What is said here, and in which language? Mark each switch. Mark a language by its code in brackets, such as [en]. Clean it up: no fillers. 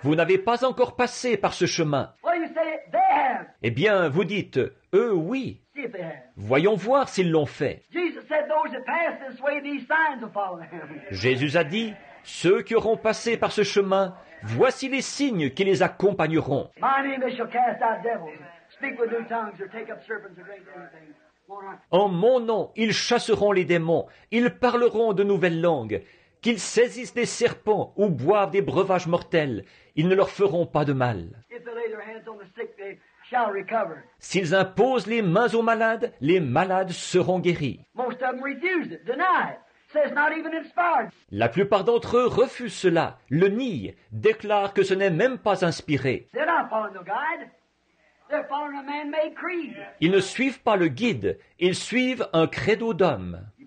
[fr] Vous n'avez pas encore passé par ce chemin. [en] Well, you say they have. [fr] Eh bien, vous dites, eux, oui. [en] See if they have. [fr] Voyons voir s'ils l'ont fait. [en] Jesus said those that pass this way, these signs will follow them. [fr] Jésus a dit, ceux qui auront passé par ce chemin, voici les signes qui les accompagneront. [en] My name they shall cast out devils. Speak with new tongues or take up serpents or great things. [fr] En mon nom, ils chasseront les démons, ils parleront de nouvelles langues, qu'ils saisissent des serpents ou boivent des breuvages mortels, ils ne leur feront pas de mal. [en] If they lay their hands on the sick, they shall recover. [fr] S'ils imposent les mains aux malades, les malades seront guéris. [en] Most of them refuse it, deny it, says not even inspired. [fr] La plupart d'entre eux refusent cela, le nient, déclarent que ce n'est même pas inspiré. [en] They're not following the guide. They're following a man-made creed. [fr] Ils ne suivent pas le guide, ils suivent un credo d'homme.